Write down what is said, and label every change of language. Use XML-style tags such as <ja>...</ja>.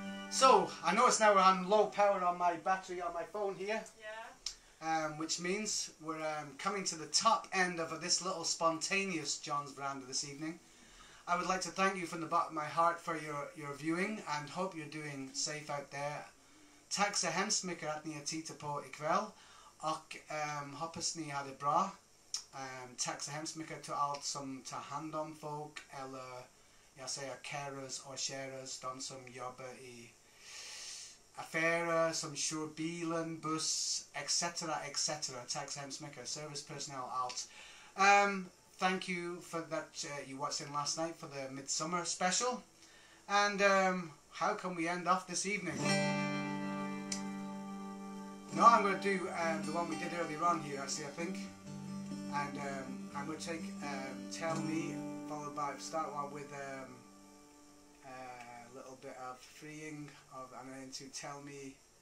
<en>So, I notice now we're on low power on my battery on my phone here. Yeah. Which means we're coming to the top end of this little spontaneous Jonsson Veranda this evening. I would like to thank you from the bottom of my heart for your viewing and hope you're doing safe out there.</en> <sv>Tack så hemskt mycket att ni har tittat på ikväll och hoppas ni har det bra. Tack så hemskt mycket till allt som tar hand om folk eller jag säger carers och sharers, de som jobbar i affärer, som kör bilen, buss, etc. etc. Tack så hemskt mycket,</sv> <en>service personnel,</en> <sv>allt.</sv> <en>Thank you for that you watched in last night for the Midsummer special. And how can we end off this evening? No, I'm going to do the one we did earlier on here, actually, I think. And I'm going to take Tell Me, followed by, start one with a little bit of Freeing, of, and then to Tell Me.</en>